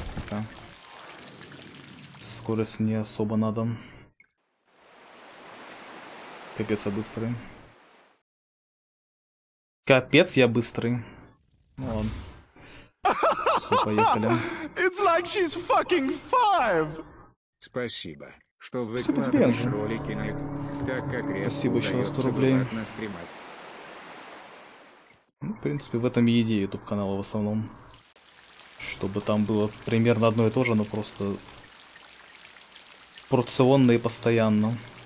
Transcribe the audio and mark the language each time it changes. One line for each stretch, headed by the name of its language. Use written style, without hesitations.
Russian: Да. Скорость не особо надо. Капец я быстрый. Капец я быстрый. Ну ладно. Все, поехали.
English: It's like she's fucking five!
Russian: Спасибо, что вы выкладываете ролики на YouTube, так как спасибо еще на 100 рублей. Ну, в принципе, в этом и идея YouTube канала в основном. Чтобы там было примерно одно и то же, но просто порционно и постоянно.